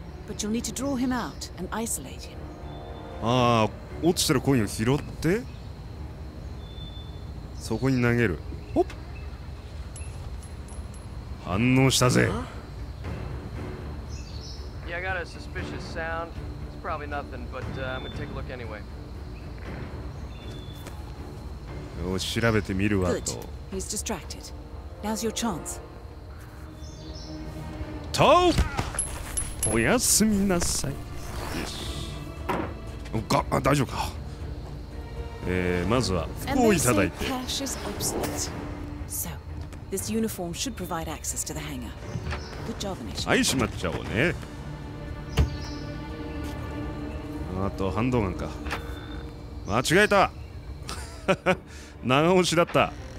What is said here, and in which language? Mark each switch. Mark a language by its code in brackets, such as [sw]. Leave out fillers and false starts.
[en] But you'll need to draw him out and isolate him. [ja] ああ、落ちてるコインを拾って、そこに投げる。ほっ。反応したぜ。 [en] Yeah, I got a suspicious sound. It's probably nothing, but I'm gonna take a look anyway. [ja] よし、調べてみるわと。 [en] Good. He's distracted. Now's your chance. [ja] TOP! おやすみなさい。よし。あ、大丈夫か。まずは服をいただいて。 [en] And they say cash is obsolete. So, this uniform should provide access to the hangar. Good job, Anish. [ja] はい、しまっちゃおうね。あと、ハンドガンか。間違えた。長押しだった。